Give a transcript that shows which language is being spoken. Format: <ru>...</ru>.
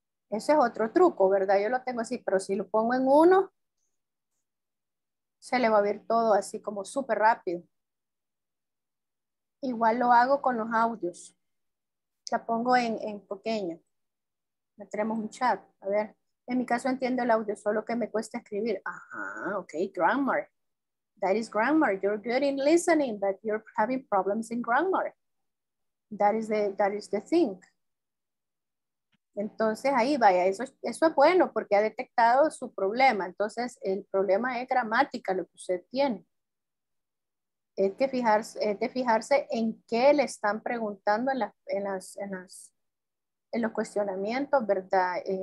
<es>Ese es otro truco, ¿verdad? Yo lo tengo así, pero si lo pongo en 1, se le va a ver todo así como súper rápido. Igual lo hago con los audios. La pongo en pequeño. Ya tenemos un chat. A ver, en mi caso entiendo el audio, solo que me cuesta escribir.</es> <en>Ajá, ok, grammar. That is grammar. You're good in listening, but you're having problems in grammar. That is the thing.</en> <es>Entonces ahí vaya, eso es bueno porque ha detectado su problema. Entonces el problema es gramática lo que usted tiene. Es de fijarse en qué le están preguntando en los cuestionamientos, ¿verdad?</es>